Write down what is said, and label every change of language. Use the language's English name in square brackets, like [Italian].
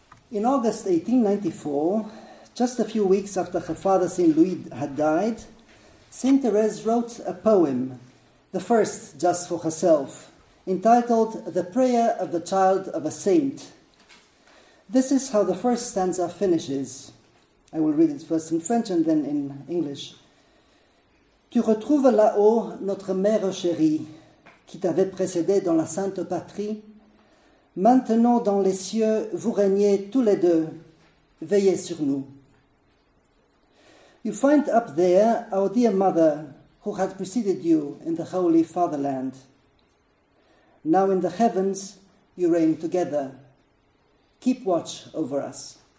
[English] In August 1894, just a few weeks after her father, Saint Louis, had died, Saint Therese wrote a poem, the first just for herself, entitled The Prayer of the Child of a Saint. This is how the first stanza finishes. I will read it first in French and then in English. [French] Tu retrouves là-haut notre mère chérie, qui t'avait précédée dans la sainte patrie. Maintenant dans les cieux, vous régnez tous les deux. Veillez sur nous. [English] You find up there our dear mother, who had preceded you in the Holy Fatherland. Now in the heavens, you reign together. Keep watch over us.